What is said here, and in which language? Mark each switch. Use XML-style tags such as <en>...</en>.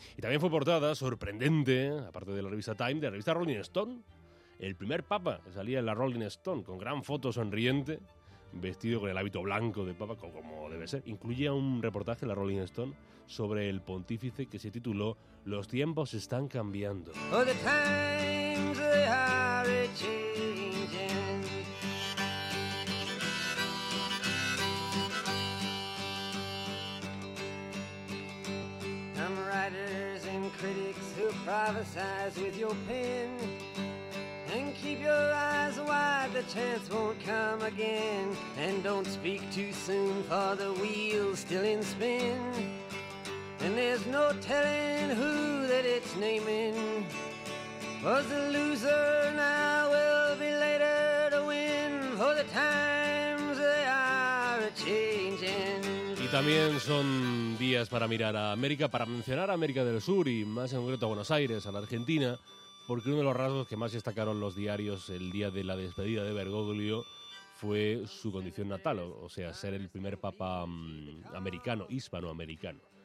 <es>Y también fue portada, sorprendente, aparte de la revista Time, de la revista Rolling Stone. El primer papa salía en la Rolling Stone con gran foto sonriente, vestido con el hábito blanco de papa, como debe ser. Incluía un reportaje en la Rolling Stone sobre el pontífice que se tituló Los tiempos están cambiando.</es> <en>Oh, the times they are changing. Some writers and critics who prophesize with your pen. And keep your eyes wide, the chance won't come again. And don't speak too soon, for the wheel's still in spin. And there's no telling who that it's naming. was a loser, now will be later to win, for the times they are a-changing.</en> <es>Y también son días para mirar a América, para mencionar a América del Sur y más en concreto a Buenos Aires, a la Argentina, porque uno de los rasgos que más destacaron los diarios el día de la despedida de Bergoglio fue su condición natal, o sea, ser el primer papa americano, hispanoamericano.</es>